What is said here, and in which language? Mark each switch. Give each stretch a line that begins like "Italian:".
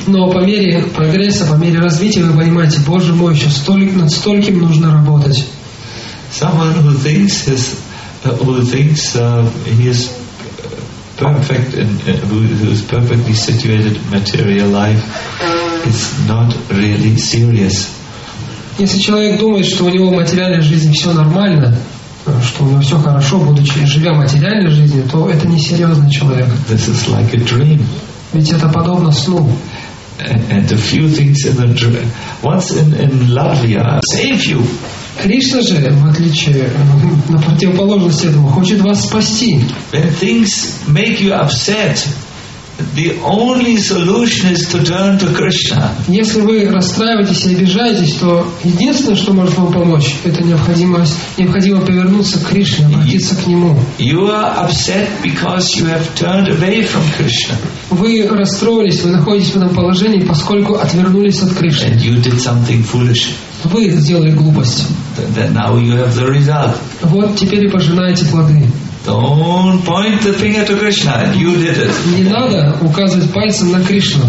Russian: Но по мере прогресса, по мере развития, вы понимаете, Боже мой, еще столько, над стольким нужно работать.
English: Someone who thinks he is perfect and who is perfectly situated in material life is not really serious.
Russian: Если человек думает, что у него в материальной жизни все нормально, что у него все хорошо, будучи живя материальной жизнью, то это не серьезный человек.
English: This is like a dream.
Russian: Ведь это подобно сну.
English: And a few things in a dream. Once in Latvia, save you.
Russian: Кришна же, в отличие, на противоположность этому, хочет вас спасти.
English: When things make you upset, the only solution is to turn to Krishna.
Russian: Если вы расстраиваетесь и обижаетесь, то единственное, что может вам помочь, это необходимо повернуться к Кришне, обратиться к Нему.
English: You are upset because you have turned away from Krishna.
Russian: Вы расстроились, вы находитесь в этом положении, поскольку отвернулись от Кришны.
English: And you did something foolish.
Russian: Вы сделали глупость.
English: Then now you have the result.
Russian: Вот теперь и пожинаете плоды.
English: Don't point the finger to Krishna. You did it.
Russian: Не надо указывать пальцем на Кришну.